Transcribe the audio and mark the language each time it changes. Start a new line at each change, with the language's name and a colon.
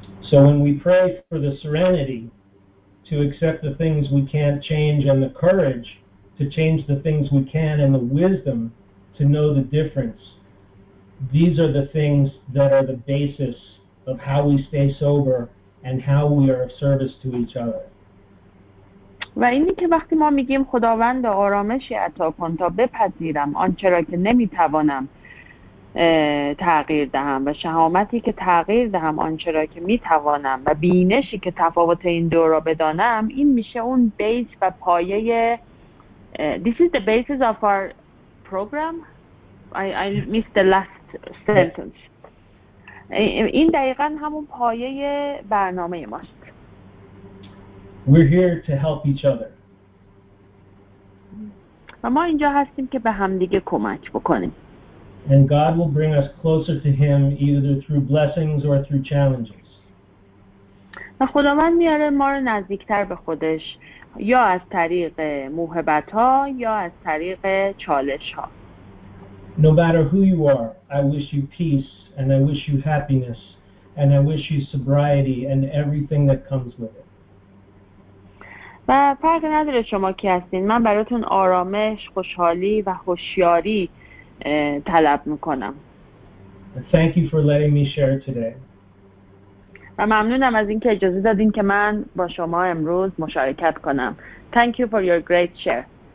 English: So when we pray for the serenity to accept the things we can't change and the courage to change the things we can and the wisdom to know the difference, these are the things that are the basis of how we stay sober and how we are of service to each other.
Persian: و اینی که وقتی ما میگیم خداوند آرامشی عطا کن تا بپذیرم آنچرا که نمیتوانم تغییر دهم و شهامتی که تغییر دهم آنچرا که میتوانم و بینشی که تفاوت این دو را بدانم، این میشه اون بیس و پایه.
English: This is the basis of our program. I missed the last sentence.
Persian: این دقیقا همون پایه برنامه ماست.
English: We're here to help each other.
Persian: ما اینجا هستیم که به هم دیگه کمک بکنیم.
English: And God will bring us closer to him either through blessings or through challenges.
Persian: و خداوند میاره ما رو نزدیکتر به خودش یا از طریق موهبت‌ها یا از طریق چالش‌ها.
English: No matter who you are, I wish you peace and I wish you happiness and I wish you sobriety and everything that comes with it.
Persian: و فرق نداره شما کی هستین، من براتون آرامش، خوشحالی و هوشیاری طلب میکنم.
English: Thank you for letting me share today.
Persian: و ممنونم از این که اجازه دادین که من با شما امروز مشارکت کنم.
English: Thank you for your great share.